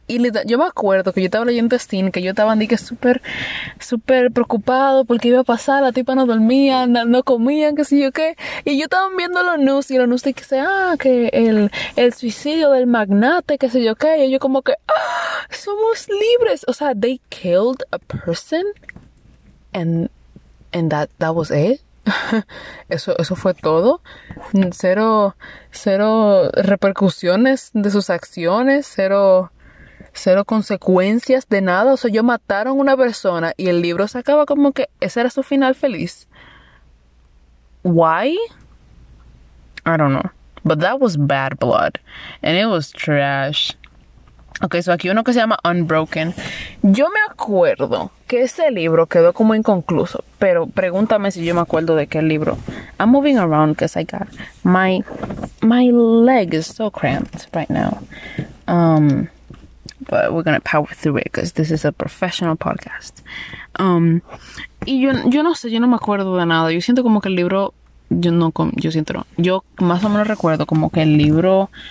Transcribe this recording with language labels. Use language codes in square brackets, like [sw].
[es] Y yo me acuerdo que yo estaba leyendo Steam, que yo estaba que súper, súper preocupado porque iba a pasar, la tipa no dormía, no comían, qué sé yo qué. Y yo estaba viendo los news y los news dice, ah, que el suicidio del magnate, qué sé yo qué. Y yo como que, ah, somos libres. O sea, [en] they killed a person and that was it. [es] Eso fue todo. Cero, cero repercusiones de sus acciones, cero, cero consecuencias de nada. O sea, ellos mataron a una persona y el libro se acaba como que ese era su final feliz. [en] Why? I don't know. [es] But that was bad blood. And it was trash. Okay, so aquí uno que se llama Unbroken. Yo me acuerdo que ese libro quedó como inconcluso. Pero pregúntame si yo me acuerdo de qué libro. [en] I'm moving around because I got my leg is so cramped right now. But we're going to power through it because this is a professional podcast. [es] Y yo no sé, yo no me acuerdo de nada. Yo siento como que el libro... Yo más o menos recuerdo como que el libro...